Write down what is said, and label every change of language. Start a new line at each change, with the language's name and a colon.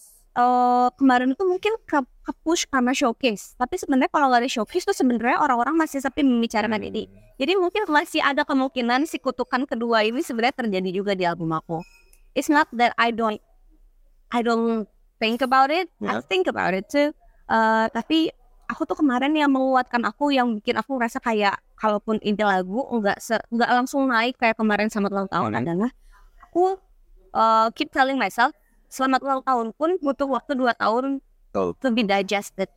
Indonesian: Terus kemarin itu mungkin ke-push karena showcase, tapi sebenarnya kalau nggak ada showcase tuh sebenarnya orang-orang masih sepi membicarakan ini. Jadi mungkin masih ada kemungkinan si kutukan kedua ini sebenarnya terjadi juga di album aku.
English: It's not that I don't think about it, yeah. I think about it too.
Indonesian: Tapi aku tuh kemarin yang menguatkan aku, yang bikin aku merasa kayak kalaupun ini lagu enggak langsung naik kayak kemarin Selamat Ulang Tahun adalah aku
English: keep telling myself
Indonesian: Selamat Ulang Tahun pun butuh waktu 2 tahun
English: to be digested.